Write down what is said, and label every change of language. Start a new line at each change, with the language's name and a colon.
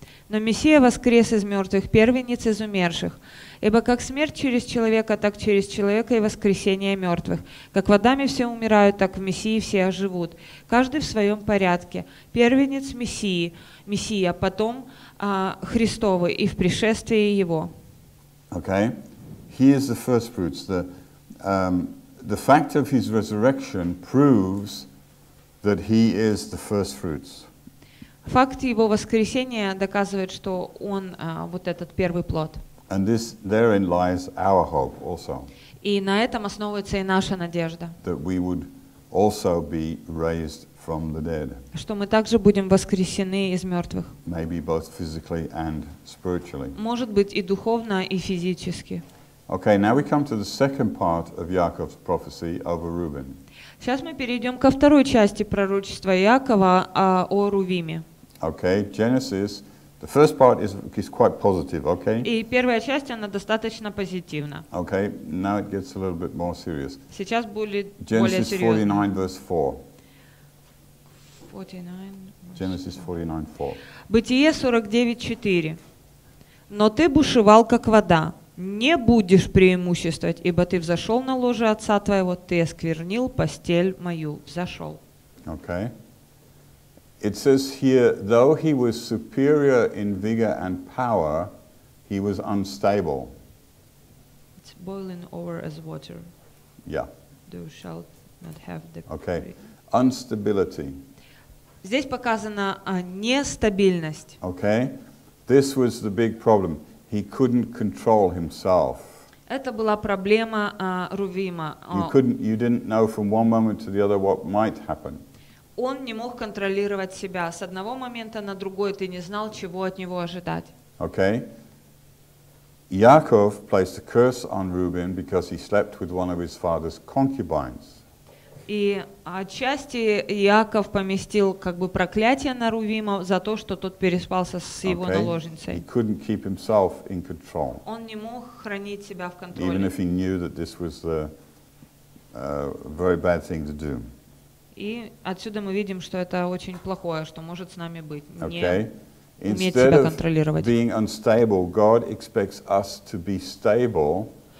Russian: Но Мессия воскрес из мертвых, первенец из умерших. Ибо как смерть через человека, так через человека и воскресение мертвых. Как в Адаме все умирают, так в Мессии все оживут. Каждый в своем порядке. Первенец Мессии, Мессия, потом Христовы и в пришествии Его.
English: Okay. Here is the first fruits. The fact of his resurrection proves that he is the first fruits.
Russian: Факт его воскресения доказывает, что он вот этот первый плод.
English: And this therein lies our hope also.
Russian: И на этом основывается и наша надежда.
English: That we would also be raised from the dead.
Russian: Что мы также будем воскресены из мертвых.
English: Maybe both physically and spiritually.
Russian: Может быть и духовно, и физически.
English: Okay, now we come to the second part of Jacob's prophecy over Reuben.
Russian: Сейчас мы перейдем ко второй части пророчества Иакова о Рувиме.
English: Okay, Genesis. The first part is quite positive, okay?
Russian: И первая часть, она достаточно позитивна.
English: Okay, now it gets a little bit more serious.
Russian: Сейчас будет более серьезно.
English: Genesis 49, verse 4. Genesis 49, 4.
Russian: Бытие 49:4. Но ты бушевал, как вода. Не будешь преимуществовать, ибо ты взошел на ложе отца твоего, ты осквернил постель мою. Взошел.
English: Okay. It says here, though he was superior in vigor and power, he was unstable. It's boiling over as water. Yeah. Thou shalt not have the okay. Unstability.
Russian: Здесь показана нестабильность.
English: Okay. This was the big problem. He couldn't control himself.
Russian: Это была проблема Рувима.
English: You didn't know from one moment to the other what might happen.
Russian: Он не мог контролировать себя. С одного момента на другой ты не знал, чего от него ожидать.
English: Okay. Яков placed a curse on Reuben because he slept with one of his father's concubines.
Russian: И отчасти Яков поместил как бы проклятие на Рувима за то, что тот переспался с его
English: okay.
Russian: наложницей.
English: He couldn't keep himself in control.
Russian: Он не мог хранить себя в контроле.
English: Even if he knew that this was the very bad thing to do.
Russian: И отсюда мы видим, что это очень плохое, что может с нами быть.
English: Okay.
Russian: Не
English: Instead
Russian: уметь себя контролировать.
English: Of being unstable, God expects us to be stable.